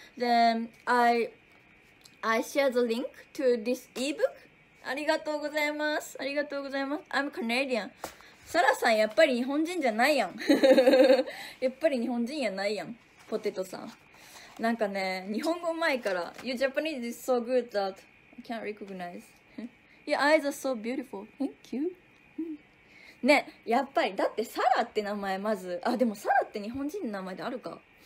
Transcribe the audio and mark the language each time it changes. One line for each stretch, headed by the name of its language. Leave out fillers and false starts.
English: Then I share the link to this ebook.
Japanese: ありがとうございます。ありがとうございます。
English: I'm Canadian.
Japanese: サラさん、やっぱり日本人じゃないやん。やっぱり日本人やないやん。ポテトさん。なんかね、日本語うまいから。
English: Your Japanese is so good that I can't recognize. Your eyes are so beautiful. Thank you.
Japanese: ね、やっぱり、だってサラって名前まず。あ、でもサラって日本人の名前であるか。